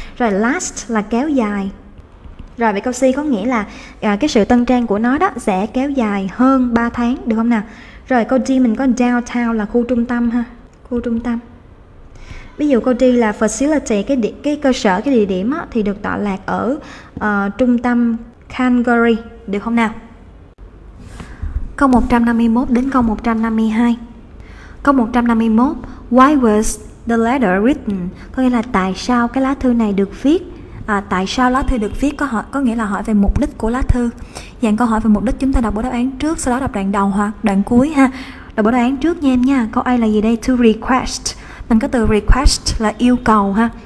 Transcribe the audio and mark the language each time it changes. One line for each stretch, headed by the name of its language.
Vietnamese: Rồi last là kéo dài. Rồi vậy câu C có nghĩa là cái sự tân trang của nó đó sẽ kéo dài hơn 3 tháng, được không nào? Rồi câu D mình có downtown là khu trung tâm ha, khu trung tâm. Ví dụ câu D là facility, cái cơ sở, cái địa điểm á, thì được tọa lạc ở trung tâm Calgary, được không nào? Câu 151 đến câu 152.
English: Câu 151, why was the letter written?
Vietnamese: Có nghĩa là tại sao cái lá thư này được viết? Tại sao lá thư được viết, có nghĩa là hỏi về mục đích của lá thư. Dạng câu hỏi về mục đích, chúng ta đọc bộ đáp án trước, sau đó đọc đoạn đầu hoặc đoạn cuối ha. Đọc bộ đáp án trước nha em nha. Câu A là gì đây?
English: To request.
Vietnamese: Mình có từ request là yêu cầu ha.